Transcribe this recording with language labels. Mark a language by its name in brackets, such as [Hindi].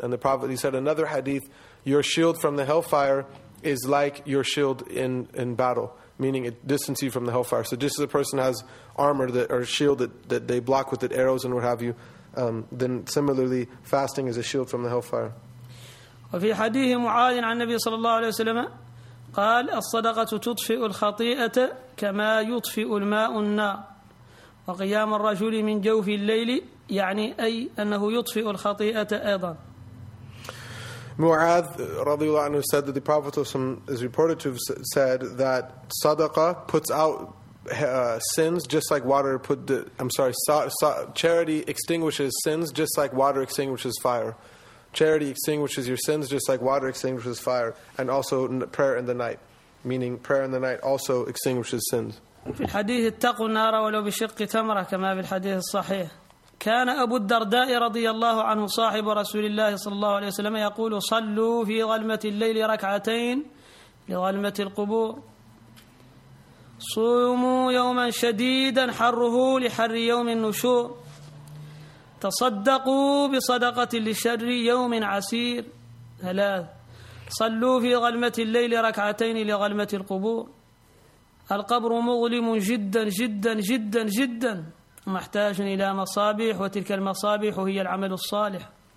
[English] And the Prophet, he said another hadith, your shield from the hellfire is like your shield in battle, meaning it distances you from the hellfire. So just as a person has armor that or shield that they block with it, arrows and what have you, then similarly, fasting is a shield from the hellfire. [Arabic] وفي حديث معاذ عن النبي صلى الله عليه وسلم قال الصدقة تطفئ الخطيئة كما يطفئ الماء النار، وقيام الرجل من جوف الليل يعني أي أنه يطفئ الخطيئة أيضا. معاذ رضي الله عنه [English] said that the Prophet is reported to have said that sadaqah puts out sins just like water put the, I'm sorry, charity extinguishes sins just like water extinguishes fire. Charity extinguishes your sins just like water extinguishes fire, and also prayer in the night, meaning prayer in the night also extinguishes sins. [Arabic] في الحديث اتقوا النار ولو بشق تمرة كما في الحديث الصحيح. كان أبو الدرداء رضي الله عنه صاحب رسول الله صلى الله عليه وسلم يقول صلوا في ظلمة الليل ركعتين لظلمة القبور، صوموا يوما شديدا حره لحر يوم النشور، تصدقوا بصدقة لشر يوم عسير ثلاث، صلوا في ظلمة الليل ركعتين لظلمة القبور، القبر مظلم جدا جدا جدا جدا محتاج إلى مصابيح، وتلك المصابيح هي العمل الصالح،